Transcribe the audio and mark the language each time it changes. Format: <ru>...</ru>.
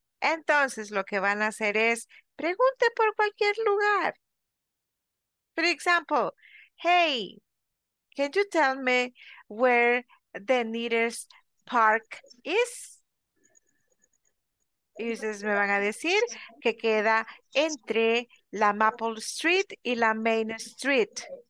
<es>Entonces, lo que van a hacer es pregunte por cualquier lugar.</es> <en>For example, hey, can you tell me where the nearest park is?</en> <es>Y ustedes me van a decir que queda entre la Maple Street y la Main Street.</es>